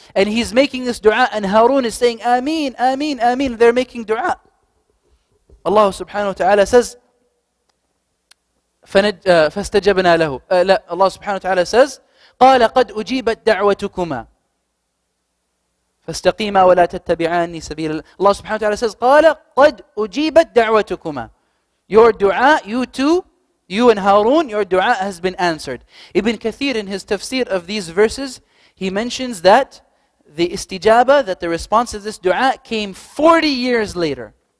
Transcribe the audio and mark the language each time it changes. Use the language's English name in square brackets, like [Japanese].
[English] And he's making this dua, and Harun is saying, Ameen, Ameen, Ameen. They're making dua. Allah subhanahu wa ta'ala says, [Arabic] فَاسْتَجَبْنَا لَهُ. [English] Allah subhanahu wa ta'ala says, [Arabic] قَالَ قَدْ أُجِيبَتْ دَعْوَتُكُمَا فَاسْتَقِيمَا وَلَا تَتَّبِعَانِي سَبِيلَ. [English] Allah subhanahu wa ta'ala says, [Arabic] قَالَ قَدْ أُجِيبَتْ دَعْوَتُكُمَا. [English] Your dua, you too, you and Harun, your dua has been answered. Ibn Kathir, in his tafsir of these verses, he mentions that the istijaba, that the response to this dua, came 40 years later.